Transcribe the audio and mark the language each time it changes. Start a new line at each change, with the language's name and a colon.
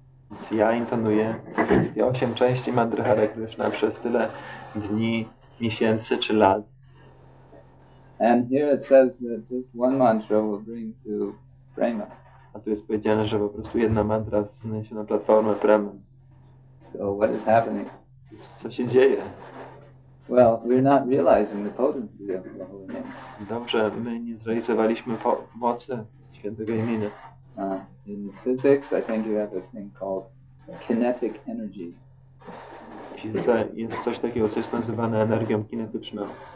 Polish: Więc ja intonuję wszystkie 8 części mantry Hare Krishna przez tyle dni, miesięcy czy lat.
English: And here it says that just one mantra will bring to prema.
Polish: A tu jest powiedziane, że po prostu jedna mantra wsunie się na platformę Prema.
English: So what is happening?
Polish: Co się dzieje?
English: Well, we're not realizing the potency of the holy name.
Polish: Dobrze, my nie zrealizowaliśmy mocy świętego imienia.
English: In physics, I think you have a thing called kinetic energy.
Polish: W fizyce jest coś takiego, co jest nazywane energią kinetyczną.